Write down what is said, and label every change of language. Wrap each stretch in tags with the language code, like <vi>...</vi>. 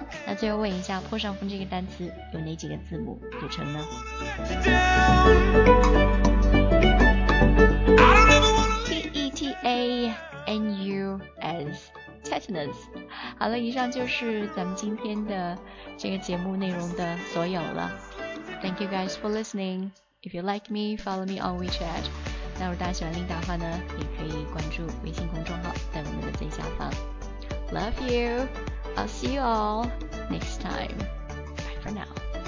<zh>那最后问一下，破伤风这个单词有哪几个字母组成呢？</zh> <en>Tetanus。</en> <zh>好了，以上就是咱们今天的这个节目内容的所有了。</zh> <en>Thank you guys for listening. If you like me, follow me on WeChat.</en> <zh>那如果大家喜欢琳达的话呢，也可以关注微信公众号，在我们的最下方。</zh> <en>Love you. I'll see you all next time. Bye for now.</en>